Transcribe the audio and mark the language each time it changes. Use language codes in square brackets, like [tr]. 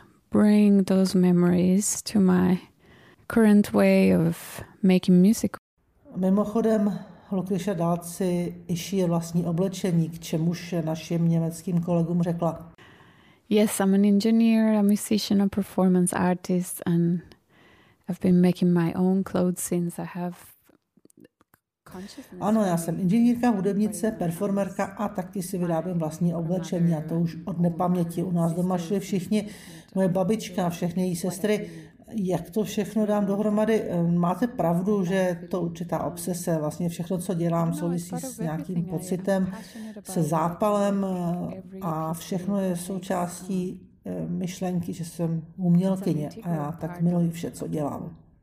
[en] Bring those memories to my current way of making music. [cs] Mimochodem, Lucretia Dalt si i šije vlastní oblečení, k čemuž našim německým kolegům řekla. [en] Yes, I'm an engineer, a musician, a performance artist, and I've been making my own clothes since I have. [cs] Ano, já jsem inženýrka, hudebnice, performerka a taky si vyrábím vlastní oblečení a to už od nepaměti. U nás doma šli všichni, moje babička a všechny její sestry. Jak to všechno dám dohromady? Máte pravdu, že to určitá obsese, vlastně všechno, co dělám, souvisí s nějakým pocitem, se zápalem a všechno je součástí myšlenky, že jsem umělkyně a já tak miluji vše, co dělám.